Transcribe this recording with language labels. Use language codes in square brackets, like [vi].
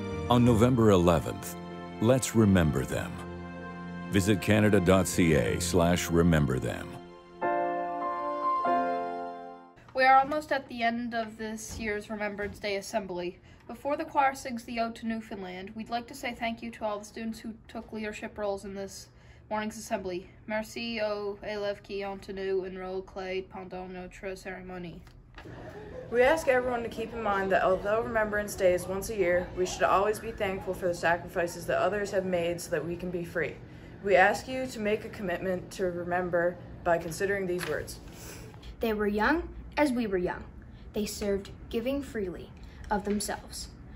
[en] On November 11th, let's remember them. Visit canada.ca/rememberthem. Almost at the end of this year's Remembrance Day Assembly. Before the choir sings the Ode to Newfoundland, we'd like to say thank you to all the students who took leadership roles in this morning's assembly. [fr] Merci aux élèves qui ont tenu un rôle clé pendant notre cérémonie. [en] We ask everyone to keep in mind that although Remembrance Day is once a year, we should always be thankful for the sacrifices that others have made so that we can be free. We ask you to make a commitment to remember by considering these words. They were young, as we were young, they served, giving freely of themselves.